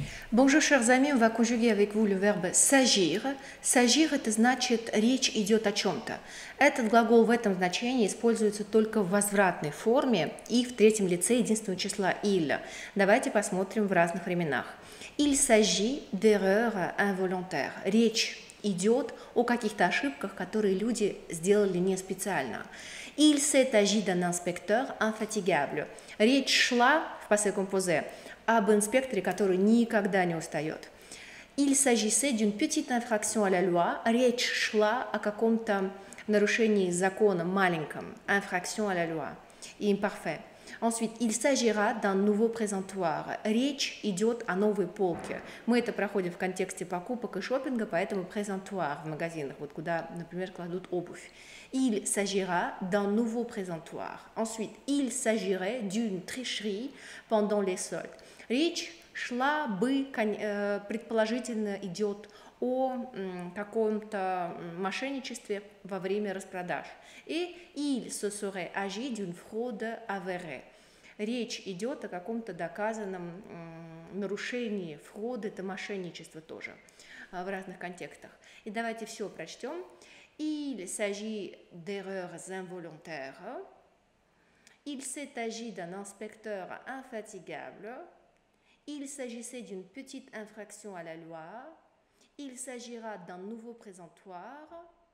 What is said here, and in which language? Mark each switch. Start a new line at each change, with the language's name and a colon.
French: Bonjour, chers amis. On va conjuguer avec vous le verbe s'agir.
Russian: S'agir, это значит, речь идет о чем-то. Этот глагол в этом значении используется только в возвратной форме и в третьем лице единственного числа «il». Давайте посмотрим в разных временах.
French: Il s'agit d'erreur involontaire.
Russian: Речь идет о каких-то ошибках, которые люди сделали не специально.
French: Il s'est agi d'un inspecteur infatigable.
Russian: Речь шла в passé composé об инспекторе, который никогда не устает.
French: Il s'agissait d'une petite infraction à la loi.
Russian: Речь шла о каком-то нарушении закона маленьком.
French: Infraction à la loi. Imparfait. Ensuite, il s'agira d'un nouveau présentoir.
Russian: Речь идет о новой полке. Мы это проходим в контексте покупок и шопинга, поэтому présentoir в магазинах, вот куда, например, кладут обувь.
French: Il s'agira d'un nouveau présentoir. Ensuite, il s'agirait d'une tricherie pendant les soldes.
Russian: Речь шла бы, предположительно, идет о каком-то мошенничестве во время распродаж.
French: И il se serait agi d'une fraude avérée.
Russian: Речь идет о каком-то доказанном нарушении фрода, это мошенничество тоже в разных контекстах. И давайте все прочтем.
French: Il s'agit d'erreurs involontaires. Il s'est agi d'un inspecteur infatigable. Il s'agissait d'une petite infraction à la loi. Il s'agira d'un nouveau présentoir.